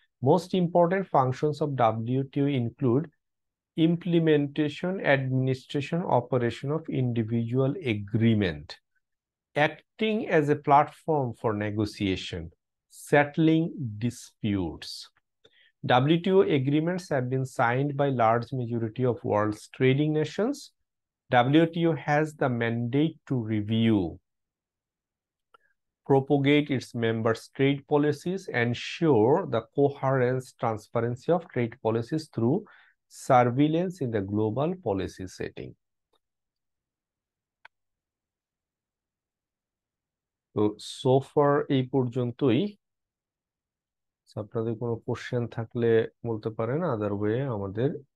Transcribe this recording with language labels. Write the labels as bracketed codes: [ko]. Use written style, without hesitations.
[en] Most important functions of WTO include implementation administration operation of individual agreement, acting as a platform for negotiation, settling disputes. WTO agreements have been signed by large majority of world trading nations. WTO has the mandate to review, propagate its members' trade policies, ensure the coherence, transparency of trade policies through surveillance in the global policy setting. So far, [bn] এই পর্যন্তই। আপনাদের কোনো question থাকলে বলতে পারেন, আদারওয়ে আমাদের